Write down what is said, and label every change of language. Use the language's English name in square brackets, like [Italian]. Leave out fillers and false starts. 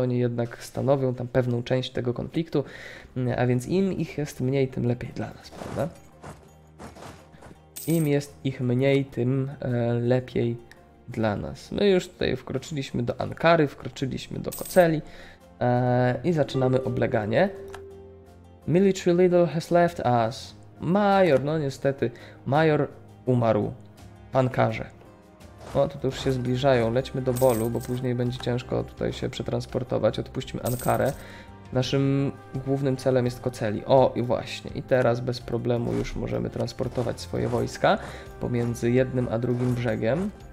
[Polish] Oni jednak stanowią tam pewną część tego konfliktu. A więc im ich jest mniej, tym lepiej dla nas, prawda? Im jest ich mniej, tym lepiej dla nas. My już tutaj wkroczyliśmy do Ankary, wkroczyliśmy do Koceli. I zaczynamy obleganie. [English] Military leader has left us. [Polish] Major, no niestety, major umarł, pankarze. O, to już się zbliżają, lećmy do Bolu, bo później będzie ciężko tutaj się przetransportować, odpuśćmy Ankarę. Naszym głównym celem jest Koceli. O, i właśnie, i teraz bez problemu już możemy transportować swoje wojska pomiędzy jednym a drugim brzegiem.